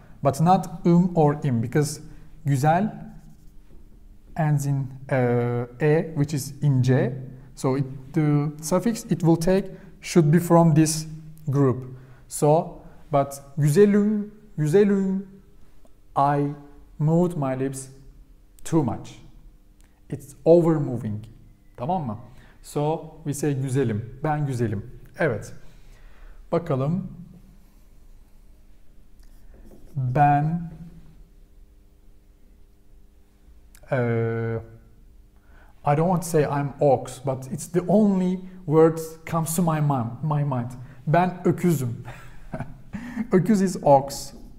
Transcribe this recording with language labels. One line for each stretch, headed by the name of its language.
English: But not or im, because güzel ends in e, which is ince. So the suffix it will take should be from this group. So, but
Turkish: güzelim,
English: I moved my lips too much. It's over moving.
Turkish: Tamam mı?
English: So we say
Turkish: güzelim, ben güzelim. Evet. Bakalım. Ben
English: I don't want to say I'm ox, but it's the only word comes to my mind.
Turkish: Ben öküzüm. Öküz
English: is ox.